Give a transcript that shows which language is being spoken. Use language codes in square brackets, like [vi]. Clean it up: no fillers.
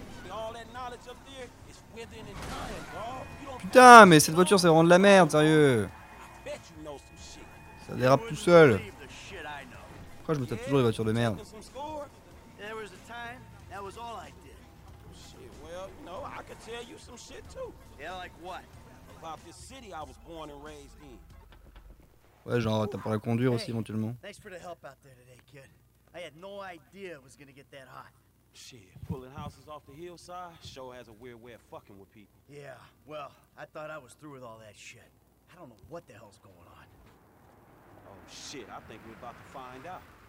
[en] All that knowledge up there is within and time, dog. [fr] Putain, mais cette voiture, c'est vraiment de la merde, sérieux. [en] I bet you know some shit. [fr] Ça dérape tout seul. Pourquoi je me tape toujours les voitures de merde? [en] There was a time, that was all I did. Shit, well, you know, I could tell you some shit too. Yeah, like what? About this city I was born and raised in. [fr] Ouais, genre t'as pas à conduire aussi éventuellement. [en] Thanks for the help out there today, kid. I had no idea it was gonna get that hot. Shit, pulling houses off the hillside sure has a weird way of fucking with people. Yeah, well, I thought I was through with all that shit. I don't know what the hell's going on. Oh shit, I think we're about to find out.